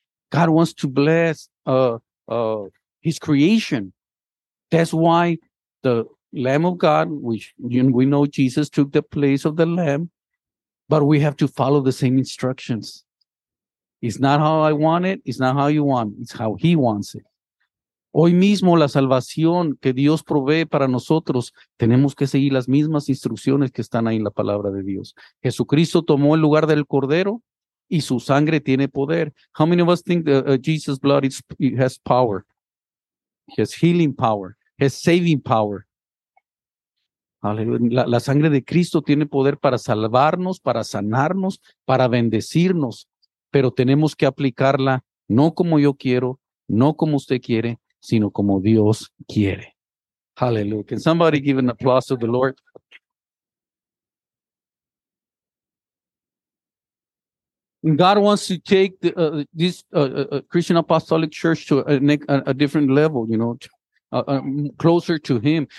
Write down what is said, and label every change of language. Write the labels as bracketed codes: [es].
[en] God wants to bless his creation. That's why the Lamb of God, which we know Jesus took the place of the Lamb, but we have to follow the same instructions. It's not how I want it. It's not how you want it. It's how he wants it. [es] Hoy mismo la salvación que Dios provee para nosotros, tenemos que seguir las mismas instrucciones que están ahí en la palabra de Dios. Jesucristo tomó el lugar del Cordero y su sangre tiene poder. [en] How many of us think that Jesus' blood has power? He has healing power. He has saving power. [es] La sangre de Cristo tiene poder para salvarnos, para sanarnos, para bendecirnos. Pero tenemos que aplicarla no como yo quiero, no como usted quiere, sino como Dios quiere. [en] Hallelujah. Can somebody give an applause to the Lord? God wants to take this Christian Apostolic Church to a different level, you know, closer to him.